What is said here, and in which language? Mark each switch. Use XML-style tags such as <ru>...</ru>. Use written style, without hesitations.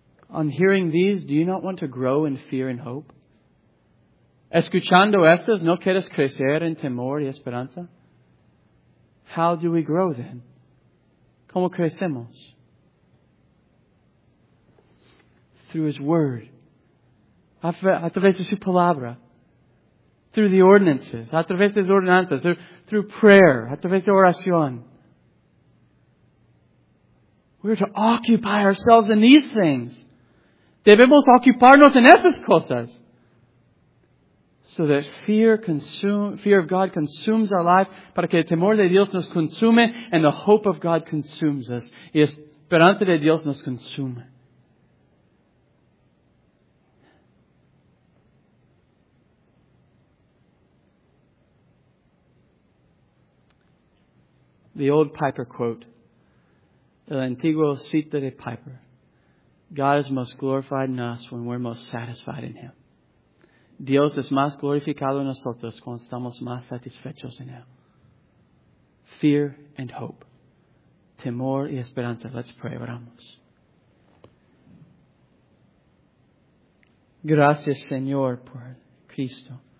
<en>On hearing these, do you not want to grow in fear and hope?</en> <es>Escuchando estas, ¿no quieres crecer en temor y esperanza?</es> <en>How do we grow then?</en> <es>¿Cómo crecemos?</es> <en>Through His Word.</en> <es>A través de su palabra.</es> <en>Through the ordinances.</en> <es>A través de las ordenanzas.</es> <en>Through prayer.</en> <es>A través de oración.</es> <en>We are to occupy ourselves in these things.</en> <es>Debemos ocuparnos en esas cosas.</es> <en>So that fear of God consumes our life,</en> <es>para que el temor de Dios nos consume,</es> <en>and the hope of God consumes us.</en> <es>Y esperanza de Dios nos consume.</es> <en>The old Piper quote.</en> <es>El antiguo cita de Piper.</es> <en>God is most glorified in us when we're most satisfied in Him.</en> <es>Dios es más glorificado en nosotros cuando estamos más satisfechos en Él.</es> <en>Fear and hope.</en> <es>Temor y esperanza.</es> <en>Let's pray.</en> <es>Oramos. Gracias, Señor, por Cristo.</es>